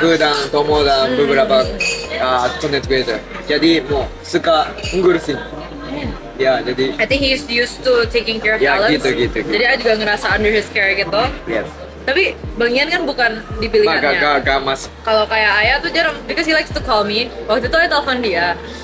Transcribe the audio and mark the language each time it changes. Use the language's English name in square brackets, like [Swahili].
[Indonesian] Aku dan Tomo dan beberapa content creator. Jadi mau suka ngurusin. Ya, jadi [English] I think he's used to taking care of talents. [Indonesian] Ya, gitu. Jadi aku juga ngerasa [English] under his care [Indonesian] gitu. [English] Yes. [Indonesian] Tapi Bang Ian kan bukan dipilihannya. Gak mas. Kalau kayak Aya tuh jarang, [English] because he likes to call me. [Indonesian] Waktu itu aku telepon dia.